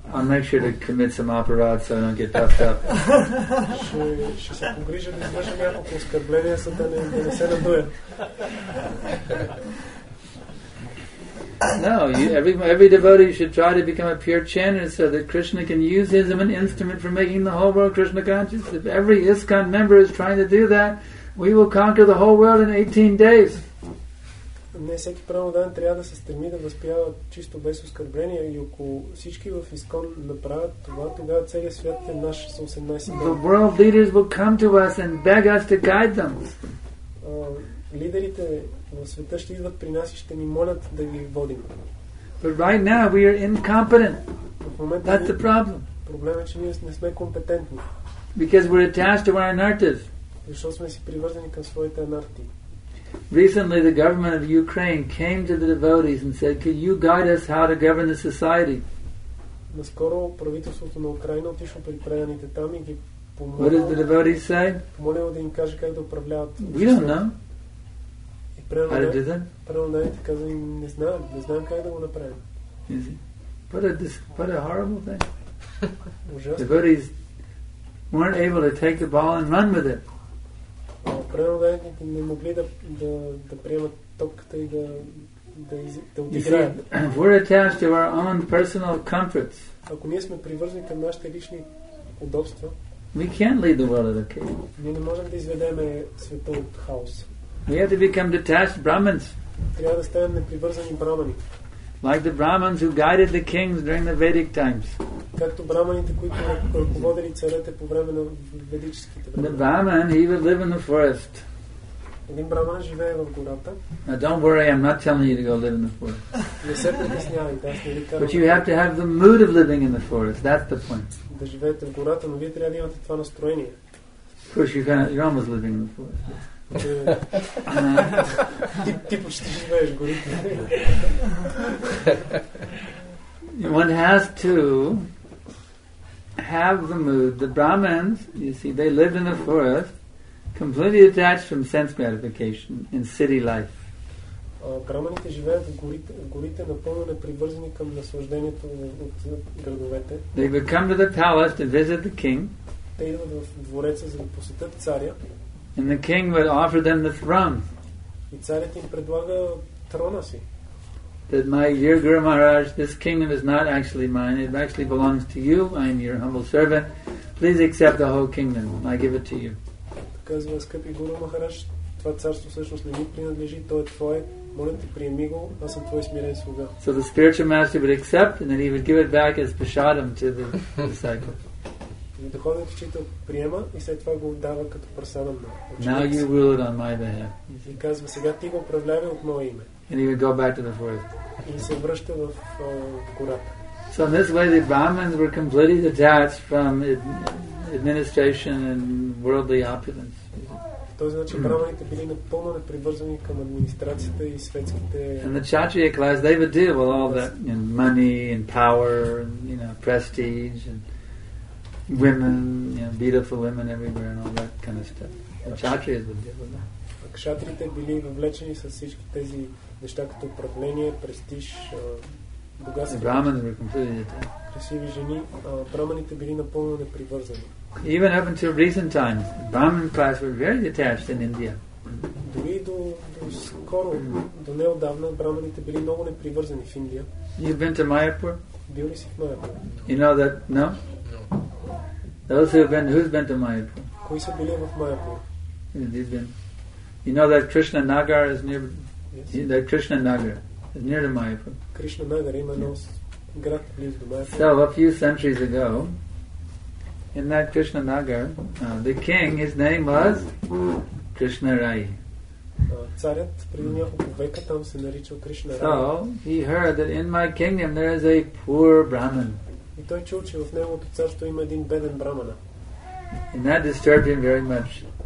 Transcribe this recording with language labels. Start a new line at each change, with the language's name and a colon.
English: I'll make sure to commit some aparat so I don't get puffed up.
Bulgarian: Ще се погрижа да извърша някакво оскърбление, за да не се надуя.
English: No, every devotee should try to become a pure chanter so that Krishna can use his as an instrument for making the whole world Krishna conscious. If every ISKCON member is trying to do that, we will conquer the whole world in 18 days.
Bulgarian: Не всеки преноден трябва да се стреми да възпява чисто без оскърбление, и ако всички в ИСКОН направят това, тогава целият свят е наш с 18 дни.
English: The world leaders will come to us and beg us to guide them.
Bulgarian: Лидерите в света ще идват при нас и ще ни молят да ги водим.
English: But right now we are incompetent. That's the problem.
Bulgarian: Проблемът е, че ние не сме компетентни.
English: Because we're attached to our anartas.
Bulgarian: Защото сме си привързани към своите анарти.
English: Recently the government of Ukraine came to the devotees and said, "Can you guide us how to govern the society?"
Bulgarian: Наскоро правителството на Украина отишло при преданите там и ги помолило.
English: What did the devotees say?
Bulgarian: Помолило да им каже как да управляват.
English: We don't know.
Bulgarian: И преданите казали, не знаем как да го направим.
English: What a horrible thing. The devotees weren't able to take the ball and run with it. If we're attached to our own personal comforts,
Bulgarian: ако ние сме привързани към нашите лични удобства,
English: we can't lead the world of chaos.
Bulgarian: Ние не можем да изведеме света от хаос.
English: We have to become detached Brahmins.
Bulgarian: Трябва да станем непривързани брамани.
English: Like the Brahmins who guided the kings during the Vedic times.
Bulgarian: Както браманите, които ръководили царете по време на ведическите времена.
English: The Brahman, he would live in the forest.
Bulgarian: Един браман живее в гората.
English: Now don't worry, I'm not telling you to go live in the forest.
Bulgarian: Не се притеснявайте, аз не ви казвам.
English: But you have to have the mood of living in the forest. That's the point.
Bulgarian: Да живеете в гората, но вие трябва да имате това настроение.
English: Of course, you're almost living in the forest.
Bulgarian: Ти почти живееш в горите.
English: One has to have the mood. The Brahmins, you see, they live in the forest, completely detached from sense gratification in city life.
Bulgarian: Браманите живеят в горите, напълно непривързани към наслаждението от градовете.
English: They would come to the palace to visit the king.
Bulgarian: Те идват в двореца, за да посетят царя.
English: And the king would offer them the throne.
Bulgarian: И царят им предлага трона си.
English: That my dear Guru Maharaj, this kingdom is not actually mine, it actually belongs to you, I am your humble servant, please accept the whole kingdom, I give it to you.
Bulgarian: Казва, скъпи Гуру Махарадж, това царство всъщност не ми принадлежи, то е твое, моля ти приеми го, аз съм твой смирен слуга.
English: So the spiritual master would accept and then he would give it back as prasadam to the disciples.
Bulgarian: И духовният учител приема и след това го отдава като прасадам на ученик.
English: Now you rule it on my behalf.
Bulgarian: И казва, сега ти го управлявай от мое име.
English: And he would go back to the forest.
Bulgarian: И се връща в гората.
English: So in this way the Brahmins were completely detached from administration and worldly opulence.
Bulgarian: Това значи браманите били напълно непривързани към администрацията и светските.
English: And the Kshatriya class, they would deal with all that, you know, money and power and, you know, prestige and women, you know, beautiful women everywhere and all that kind of stuff. The Kshatriyas would deal with that.
Bulgarian: Кшатрите били въвлечени с всички тези неща като управление, престиж, богатство. Красиви жени, браманите били напълно непривързани.
English: Even up until recent times, Brahmin class were very detached in India.
Bulgarian: Дори до скоро, до неодавна, браманите били много непривързани в Индия.
English: You've been to Mayapur?
Bulgarian: Бил ли си в Mayapur?
English: You know that, no? No. Those who's been to Mayapur?
Bulgarian: Кои са били в Mayapur?
English: You've been. You know that Krishna Nagar is near. Yes. That Krishna Nagar is near to Mayapur. Krishna Nagar, yes.
Bulgarian: Град близо до Mayapur.
English: So a few centuries ago, in that Krishna Nagar, the king, his name was Krishna Rai.
Bulgarian: Царят преди няколко века там се наричал Кришна Рай.
English: So he heard that in my kingdom there is a poor Brahman.
Bulgarian: И той чул, че в неговото царство има един беден брамана.
English: And that disturbed him very much.